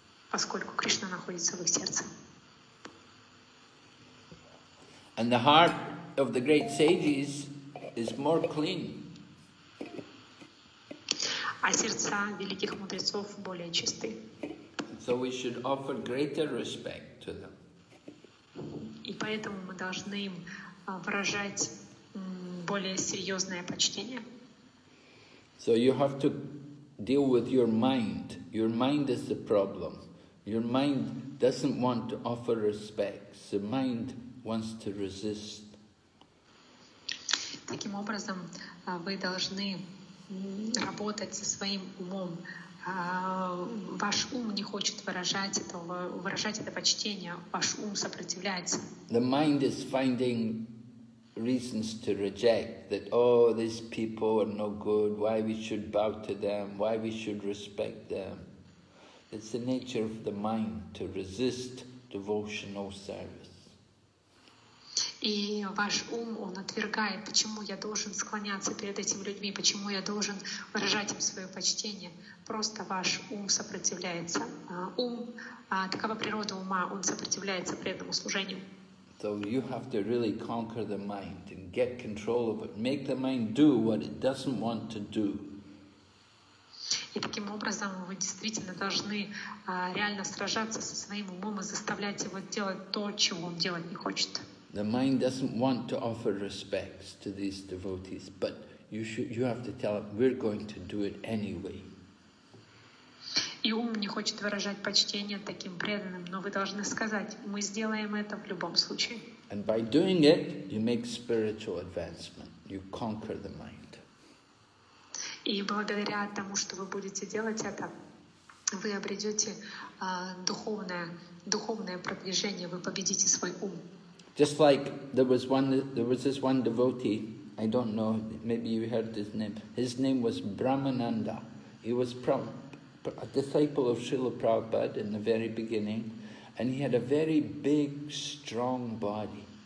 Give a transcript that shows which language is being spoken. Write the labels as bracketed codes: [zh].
[ru] Поскольку Кришна находится в их сердце. [en] And the heart of the great sages is more clean. А сердца великих мудрецов более чисты. So we should offer greater respect to them. И поэтому мы должны им выражать более серьезное почтение. So you have to deal with your mind. Your mind is the problem. Your mind doesn't want to offer respects. The mind wants to resist. [ru] Таким образом, вы должны работать со своим умом, ваш ум не хочет выражать это почтение, ваш ум сопротивляется. [en] The mind is finding reasons to reject that. Oh, these people are no good. Why we should bow to them? Why we should respect them? It's the nature of the mind to resist devotional service. [ru] И ваш ум, он отвергает, почему я должен склоняться перед этими людьми, почему я должен выражать им свое почтение. Просто ваш ум сопротивляется. Ум, такова природа ума, он сопротивляется преданному служению. [en] So you have to really conquer the mind and get control of it. Make the mind do what it doesn't want to do. [ru] И таким образом вы действительно должны реально сражаться со своим умом и заставлять его делать то, чего он делать не хочет. [en] The mind doesn't want to offer respects to these devotees, but you have to tell it, we're going to do it anyway. [ru] И ум не хочет выражать почтение таким преданным, но вы должны сказать, мы сделаем это в любом случае. [en] And by doing it, you make spiritual advancement. You conquer the mind. [ru] И благодаря тому, что вы будете делать это, вы обретете духовное продвижение, вы победите свой ум. [en] Just like there was this one devotee, I don't know, maybe you heard his name. His name was Brahmananda. He was a disciple of Srila Prabhupada in the very beginning, and he had a very big, strong body.